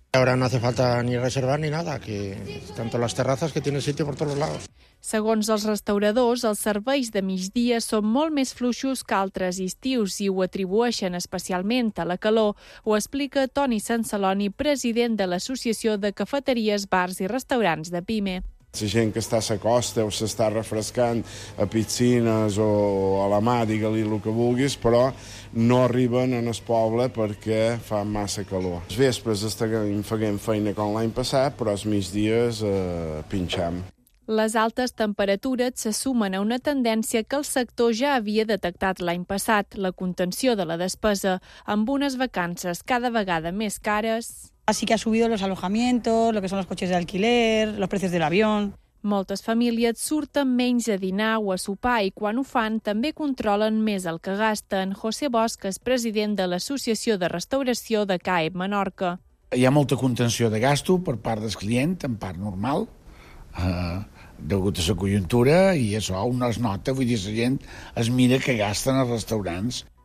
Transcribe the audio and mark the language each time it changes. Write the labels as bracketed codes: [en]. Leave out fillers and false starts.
[es] Ahora no hace falta ni reservar ni nada, que tanto las terrazas que tienen sitio por todos lados. [ca] Segons els restauradors, els serveis de migdia són molt més fluixos que altres estius i ho atribueixen especialment a la calor. Ho explica Toni Sansaloni, president de l'Associació de Cafeteries, Bars i Restaurants de Pime. La gent que està a la costa o s'està refrescant a piscines o a la mà, digue-li el que vulguis, però no arriben en el poble perquè fa massa calor. Els vespres faguem feina com l'any passat, però els migdies pinxam. Les altes temperatures se sumen a una tendència que el sector ja havia detectat l'any passat, la contenció de la despesa, amb unes vacances cada vegada més cares. [es] Así que ha subido los alojamientos, lo que son los coches de alquiler, los precios del avión. [ca] Moltes famílies surten menys a dinar o a sopar i quan ho fan també controlen més el que gasten. José Bosch és president de l'Associació de Restauració de CAEB Menorca. Hi ha molta contenció de gasto per part del client, en part normal, degut a la conjuntura, i això no es nota, vull dir, la gent es mira que gasten als restaurants.